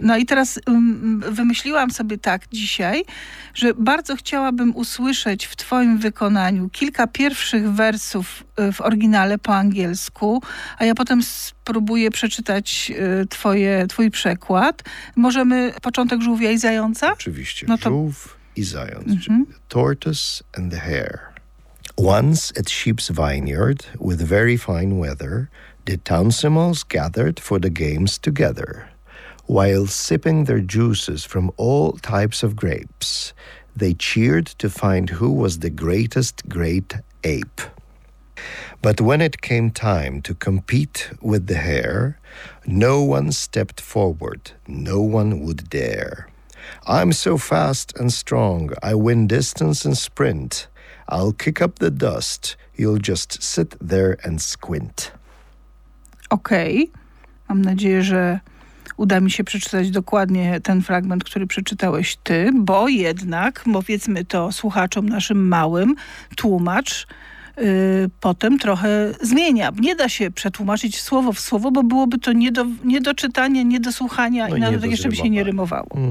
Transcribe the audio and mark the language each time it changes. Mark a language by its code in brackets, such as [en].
[pl] No i teraz wymyśliłam sobie tak dzisiaj, że bardzo chciałabym usłyszeć w twoim wykonaniu kilka pierwszych wersów w oryginale po angielsku, a ja potem spróbuję przeczytać twój przekład. Możemy początek żółwia i zająca? Oczywiście. Żółw i zając. [en] Tortoise and the hare. Once at sheep's vineyard, with very fine weather, the townsmen gathered for the games together. While sipping their juices from all types of grapes, they cheered to find who was the greatest great ape. But when it came time to compete with the hare, no one stepped forward, no one would dare. I'm so fast and strong, I win distance and sprint. I'll kick up the dust, you'll just sit there and squint. [pl] Okej, mam nadzieję, że uda mi się przeczytać dokładnie ten fragment, który przeczytałeś ty, bo jednak, powiedzmy to słuchaczom naszym małym, tłumacz potem trochę zmienia. Nie da się przetłumaczyć słowo w słowo, bo byłoby to nie do czytania, nie do słuchania i nawet jeszcze by się nie rymowało.